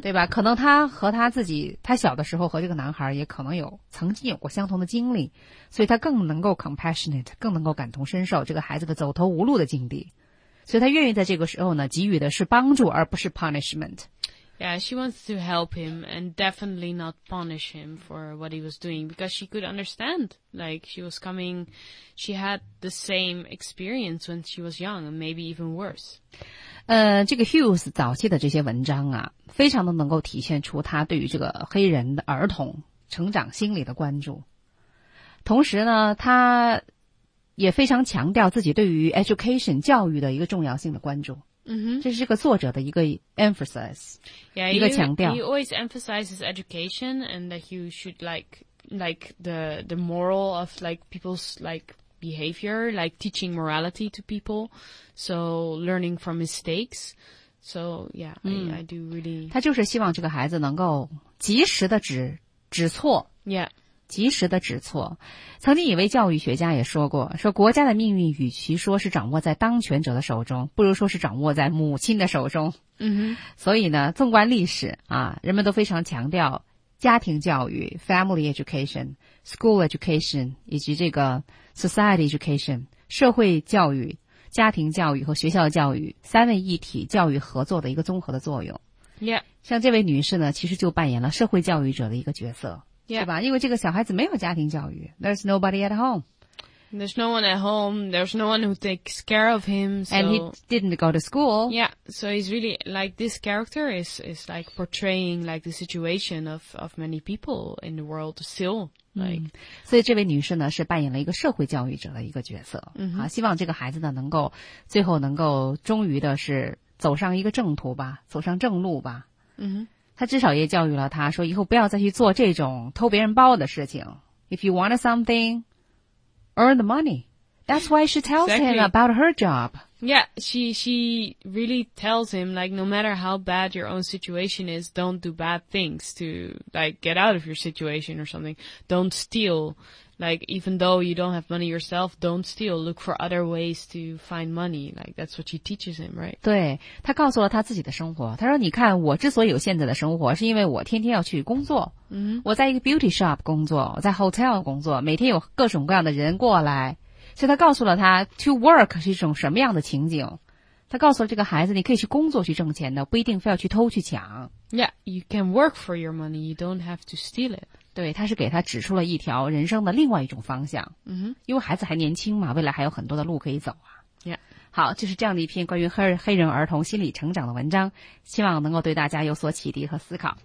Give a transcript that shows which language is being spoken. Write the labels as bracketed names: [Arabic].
[Chinese] 对吧？可能她和她自己，她小的时候和这个男孩也可能有曾经有过相同的经历，所以她更能够 compassionate， 更能够感同身受这个孩子的走投无路的境地，所以她愿意在这个时候呢给予的是帮助，而不是 punishment。 [English] Yeah, she wants to help him and definitely not punish him for what he was doing because she could understand. Like, she was coming, she had the same experience when she was young and maybe even worse. [Chinese] 这个 Hughes 早期的这些文章啊，非常的能够体现出他对于这个黑人的儿童成长心理的关注。同时呢，他也非常强调自己对于 education 教育的一个重要性的关注。 Mm-hmm. 这是个作者的一个 emphasis, yeah, 一个强调。 [English] He always emphasizes education and that you should like the moral of like people's like behavior, like teaching morality to people, so learning from mistakes. So yeah,、嗯、 I do really. [Chinese] 他就是希望这个孩子能够及时的指错。 Yeah. 及时的指错。曾经一位教育学家也说过，说国家的命运与其说是掌握在当权者的手中，不如说是掌握在母亲的手中。 Mm-hmm. 所以呢，纵观历史啊，人们都非常强调家庭教育 [English] family education, school education, [Chinese] 以及这个 [English] society education, [Chinese] 社会教育、家庭教育和学校教育三位一体教育合作的一个综合的作用。 Yeah. 像这位女士呢，其实就扮演了社会教育者的一个角色。 Yeah. 对吧？因为这个小孩子没有家庭教育。 [English] There's nobody at home. There's no one at home. There's no one who takes care of him. So... And he didn't go to school. Yeah. So he's really, like, this character is like portraying, like, the situation of many people in the world still. Like...、 [Chinese] 嗯、所以这位女士呢是扮演了一个社会教育者的一个角色。 Mm-hmm. 啊、希望这个孩子呢能够最后能够终于的是走上一个正途吧，走上正路吧。嗯、mm-hmm. 他至少也教育了他说以后不要再去做这种偷别人包的事情。 [English] If you want something, earn the money. That's why she tells、 exactly. him about her job. Yeah, she really tells him, like, no matter how bad your own situation is, don't do bad things to, like, get out of your situation or something. Don't steal. Like, even though you don't have money yourself, don't steal. Look for other ways to find money. Like, that's what she teaches him, right? [Chinese] 对，他告诉了他自己的生活。他说，你看，我之所以有现在的生活，是因为我天天要去工作。我在一个 beauty shop 工作，我在 hotel 工作，每天有各种各样的人过来。所以他告诉了他 [English] to work [Chinese] 是一种什么样的情景。他告诉了这个孩子，你可以去工作去挣钱的，不一定非要去偷去抢。 [English] Yeah, you can work for your money, you don't have to steal it. [Chinese] 对，他是给他指出了一条人生的另外一种方向。 Mm-hmm. 因为孩子还年轻嘛，未来还有很多的路可以走啊。 Yeah. 好，就是这样的一篇关于黑人儿童心理成长的文章，希望能够对大家有所启迪和思考。